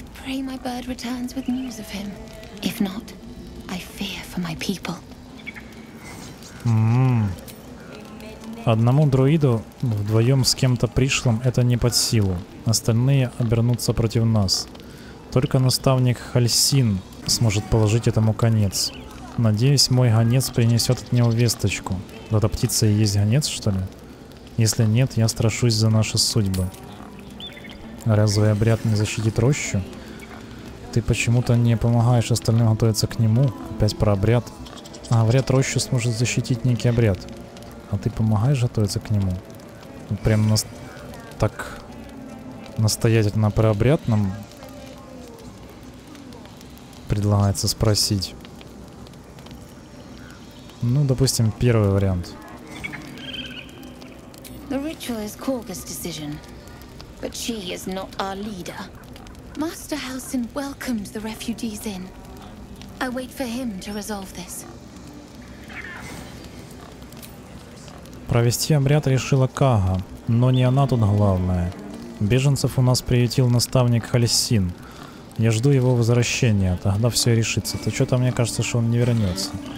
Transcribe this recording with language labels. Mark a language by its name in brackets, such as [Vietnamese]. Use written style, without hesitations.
[English] If not, I fear for my people. [Russian] Одному друиду вдвоем с кем-то пришлым это не под силу. Остальные обернутся против нас. Только наставник Хальсин сможет положить этому конец. Надеюсь, мой гонец принесет от него весточку. Эта птица и есть гонец, что ли? Если нет, я страшусь за наши судьбы. Разве обряд не защитит рощу? Ты почему-то не помогаешь остальным готовиться к нему. Опять про обряд. А вряд рощу сможет защитить некий обряд. А ты помогаешь готовиться к нему? Прям так настоятельно про обряд нам предлагается спросить. Ну, допустим, первый вариант. [English] The ritual is Korga's decision, but she is not our leader. Master Halsin welcomed the refugees in. I wait for him to resolve this. [Russian] Провести обряд решила Кага, но не она тут главная. Беженцев у нас приютил наставник Хальсин. Я жду его возвращения, тогда все решится. Ты что-то мне кажется, что он не вернется.